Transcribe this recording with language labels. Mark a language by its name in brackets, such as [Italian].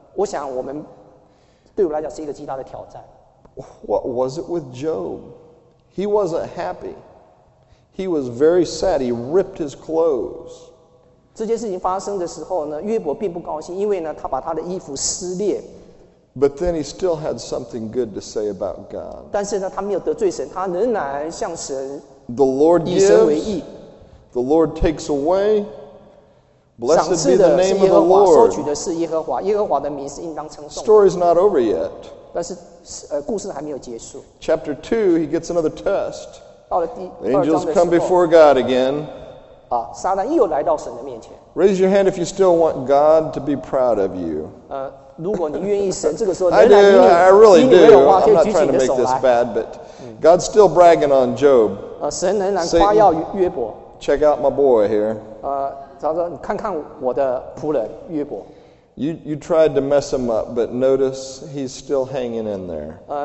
[Chinese] 我想我们对我来讲是一个极大的挑战。 [English] What was it with Job? He wasn't happy. He was very sad. He ripped his clothes. [Chinese] 这件事情发生的时候呢，约伯并不高兴，因为呢，他把他的衣服撕裂。 [English] But then he still had something good to say about God. [Chinese] 但是呢，他没有得罪神，他仍然向神以神为义。 [English] The Lord gives, the Lord takes away. Blessed be the name of the Lord. [Chinese] 赏赐的是耶和华，收取的是耶和华，耶和华的名是应当称颂。 [English] Story's not over yet. [Chinese] 但是 故事还没有结束。 [English] Chapter 2, he gets another test. [Chinese] 到了第二章的时候, [English] angels come before God again. [Chinese] 撒旦又来到神的面前。 [English] Raise your hand if you still want God to be proud of you. [Chinese] 如果你愿意神这个时候仍然以你, [English] I do, I really [Chinese] 以你为荣耀, [English] do. I'm not trying to make this bad, but God's still bragging on Job. [Chinese] 神仍然夸耀约伯。 [English] Check out my boy here. [Chinese] 他说你看看我的仆人约伯。 [English] You tried to mess him up, but notice he's still hanging in there.